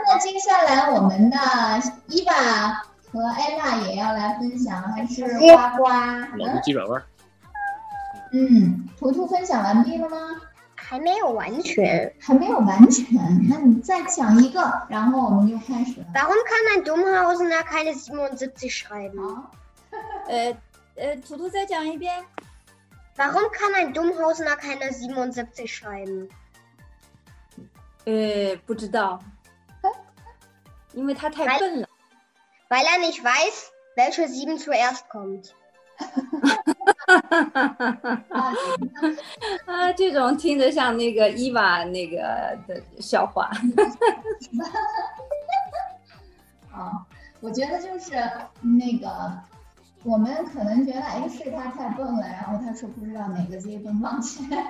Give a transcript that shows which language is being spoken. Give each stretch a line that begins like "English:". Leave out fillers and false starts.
Chinese: 那接下来我们的伊娃和艾娜也要来分享，还是呱呱？我们急转弯。图图分享完毕了吗？还没有完全。还没有完全，那你再讲一个，然后我们就开始了。
German: Warum kann ein dummer Hase nach keine 77 schreiben？
Chinese: 图图再讲一遍。
German: Warum kann ein dummer Hase nach keine 77 schreiben？
Chinese: 不知道，因为他太笨了。
German: Weil er nicht weiß, welche sieben zuerst kommt.
Chinese: 啊，这种听着像那个伊娃那个的笑话。我觉得就是那个，我们可能觉得，哎，是他太笨了，然后他说不知道哪个接奔放去。